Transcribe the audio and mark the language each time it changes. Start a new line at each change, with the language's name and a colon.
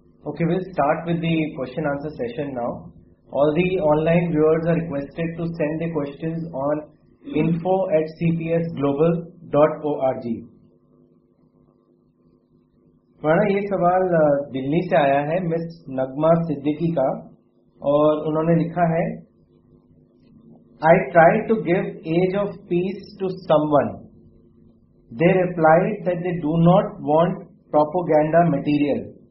English: Okay, we'll start with the question answer session now. All the online viewers are requested to send their questions on info@cpsglobal.org.
Urdu: پرانا یہ سوال دلی سے آیا ہے مس نغمہ صدیقی کا, اور انہوں نے لکھا ہے,
English: I tried to give age of peace to someone. They replied that they do not want propaganda material.